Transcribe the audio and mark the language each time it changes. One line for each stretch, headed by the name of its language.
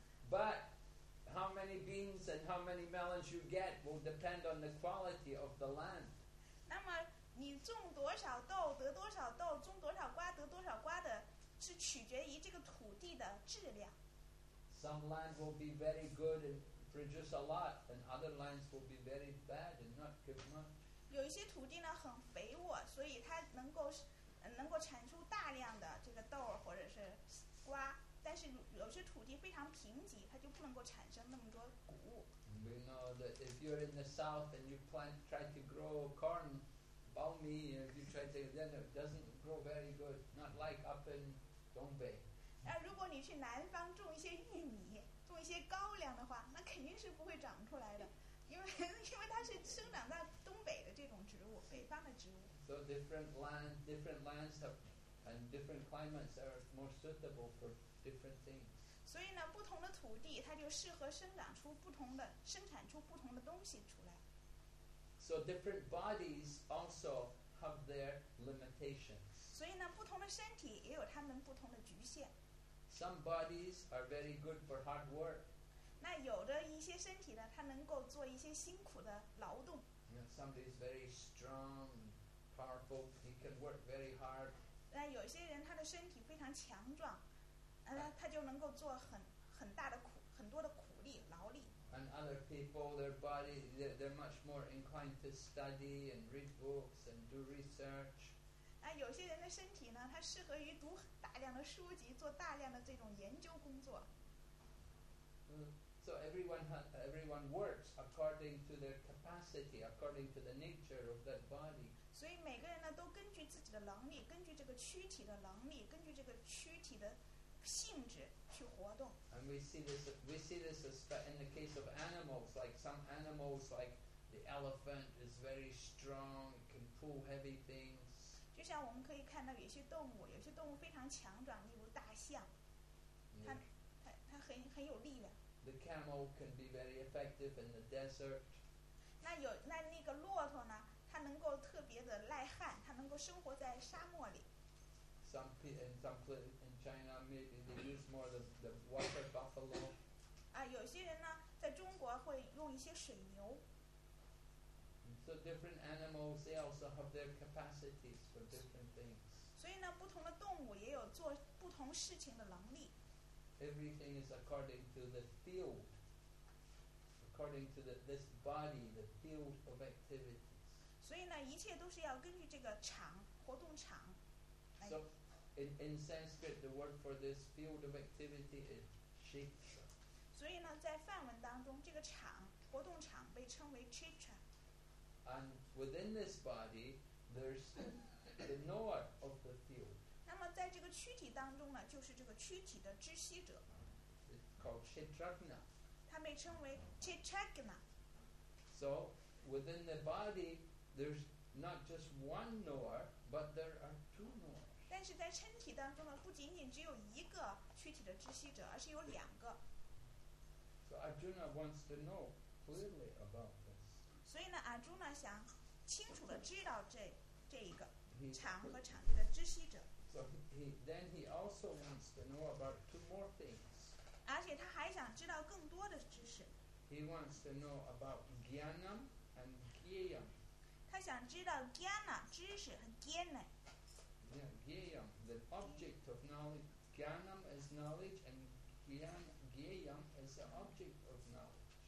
English: But how many beans and how many melons you get will depend on the quality of the land.
Chinese: 那么你种多少豆得多少豆，种多少瓜得多少瓜的，是取决于这个土地的质量。
English: Some land will be very good and produce a lot, and other lands will be very bad and not give much.
Chinese: 有一些土地呢很肥沃，所以它能够产出大量的这个豆或者是瓜。但是有些土地非常贫瘠，它就不能够产生那么多谷物。
English: We know that if you're in the south and you plant try to grow corn, baomi, if you try to, then it doesn't grow very good, not like up in Dongbei.
Chinese: 那如果你去南方种一些玉米，种一些高粱的话，那肯定是不会长出来的，因为它是生长在东北的这种植物，北方的植物。
English: So different lands have and different climates are more suitable for different things.
Chinese: 所以呢，不同的土地它就适合生长出不同的，生产出不同的东西出来。
English: So different bodies also have their limitations.
Chinese: 所以呢，不同的身体也有它们不同的局限。
English: Some bodies are very good for hard work.
Chinese: 那有的一些身体呢，它能够做一些辛苦的劳动。
English: You know, somebody is very strong, powerful. He can work very hard.
Chinese: 那有些人他的身体非常强壮，他就能够做很多的苦力劳力。
English: And other people, their body, they're much more inclined to study and read books and do research.
Chinese: 那有些人的身体呢，他适合于读大量的书籍，做大量的这种研究工作。
English: So everyone works according to their capacity, according to the nature of that body.
Chinese: 所以每个人呢都根据自己的能力，根据这个躯体的能力，根据这个躯体的性质去活动。
English: And we see this in the case of animals, like some animals, like the elephant is very strong, can pull heavy things.
Chinese: 就像我们可以看到有些动物非常强壮，例如大象，它很有力量。
English: The camel can be very effective in the desert.
Chinese: 那个骆驼呢？它能够特别的耐旱，它能够生活在沙漠里。
English: In China, maybe they use more the water buffalo.
Chinese: 有些人呢，在中国会用一些水牛。
English: So different animals, they also have their capacities for different things.
Chinese: 所以呢，不同的动物也有做不同事情的能力。
English: Everything is according to the field, according to this body, the field of activity.
Chinese: 所以呢，一切都是要根据这个场，活动场。
English: So, in Sanskrit, the word for this field of activity is kshetra.
Chinese: 所以呢，在梵文当中，这个场，活动场被称为 kshetra.
English: And within this body, there's the knower of the field.
Chinese: 那么在这个躯体当中呢，就是这个躯体的知悉者。
English: It's called kshetrajna.
Chinese: 它被称为 kshetrajna.
English: So, within the body,There's not just one knower, but there are two knowers.
Chinese: 但是在身体当中呢，不仅仅只有一个躯体的知悉者，而是有两个。
English: So Arjuna wants to know clearly about this.
Chinese: 所以呢 ，Arjuna 想清楚的知道这一个场和场地的知悉者。
English: So he also wants to know about two more things.
Chinese: 而且他还想知道更多的知识。
English: He wants to know about jnanam and jnanam.
Chinese: 他想知道 jnana 知识和 jnana。
English: Yeah, jnanam, the object of knowledge. Jnanam is knowledge, and jnanam is the object of knowledge.